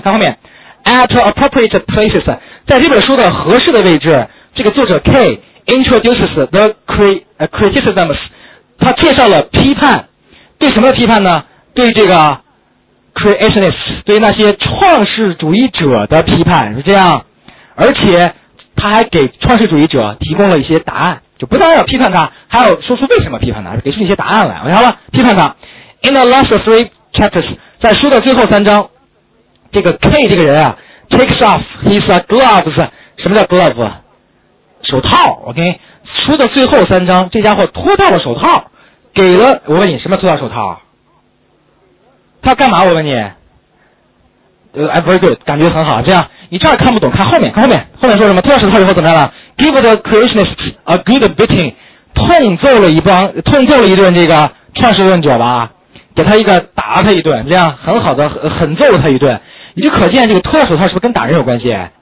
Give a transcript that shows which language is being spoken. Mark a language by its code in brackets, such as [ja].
[zh] 看后面 ， [en] at appropriate places， [zh] 在这本书的合适的位置，这个作者 [en] K introduces the criticisms， [zh] 他介绍了批判，对什么的批判呢？对这个 creationists， 对那些创世主义者的批判是这样，而且他还给创世主义者提供了一些答案，就不但要批判他，还要说出为什么批判他，给出一些答案来。好了，批判他。 [en] In the last three chapters， [zh] 在书的最后三章，这个 K 这个人啊 ， [en] takes off his gloves， [zh] 什么叫 glove？手套。 OK， 书的最后三章，这家伙脱掉了手套，给了我问你，什么脱掉手套？他干嘛？我问你。 [en] Very good， [zh] 感觉很好。这样，你这儿看不懂，看后面，看后面，后面说什么？脱掉手套以后怎么样了 ？ [en] Give the creationists a good beating， [zh] 痛揍了一顿这个创世论者吧，给他一个打他一顿，这样很好的狠揍了他一顿。你就可见这个脱掉手套是不是跟打人有关系？